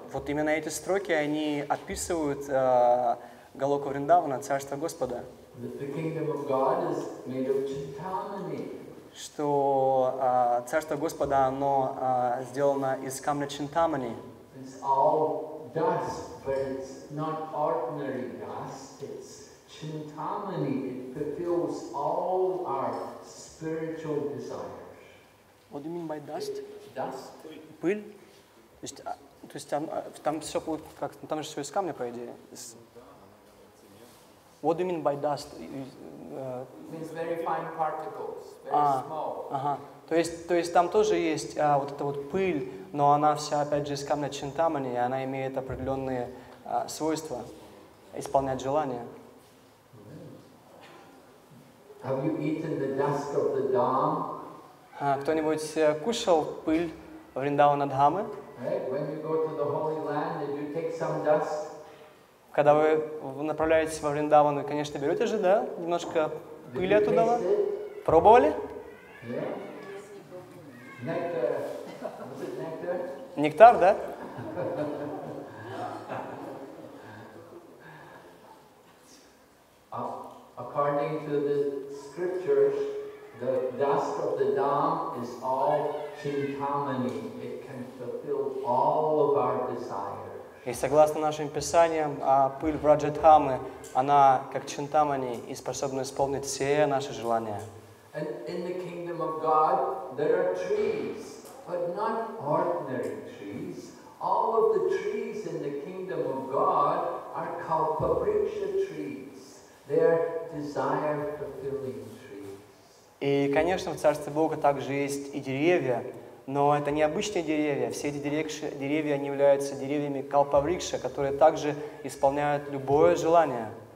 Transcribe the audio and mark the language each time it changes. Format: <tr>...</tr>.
<ru>Вот именно эти строки, они описывают Галоку Вриндавана, Царство Господа.</ru> <en>The kingdom of God is made of Чинтамани.</en> <ru>Что Царство Господа, оно сделано из камня Чинтамани.</ru> <en>It's all dust, but it's not ordinary dust, it's Chintamani, it fulfills all our spiritual desires. What do you mean by dust? Dust.</en> <ru>Пыль? То есть там же все из камня, по идее.</ru> <en>What do you mean by dust? It means very fine particles, very small.</en> <ru>Ага. То есть там тоже есть вот эта вот пыль, но она вся опять же из камня Чинтамани, и она имеет определенные свойства исполнять желания.</ru> <en>Have you eaten the dust of the Dham?</en> <ru>Кто-нибудь кушал пыль Вриндавана Дхамы?</ru> <en>Right? When you go to the holy land, did you take some dust?</en> <ru>Когда вы направляетесь во Вриндаван, вы, конечно, берете же, да, немножко пыли оттуда? Пробовали?</ru> <en>Yeah. Nectar. Was it nectar?</en> <ru>Нектар, да?</ru> <en>According to the scriptures, the dust of the dam is all chintamani. It can fulfill all of our desires.</en> <ru>И согласно нашим писаниям, пыль Враджадхамы, она как чинтамани и способна исполнить все наши желания.</ru> <en>And in the kingdom of God, there are trees, but not ordinary trees. All of the trees in the kingdom of God are called paviksha trees. They are desire-fulfilling trees.</en> <ru>И, конечно, в Царстве Бога также есть и деревья, но это не обычные деревья. Все эти деревья они являются деревьями калпаврикша, которые также исполняют любое желание.</ru>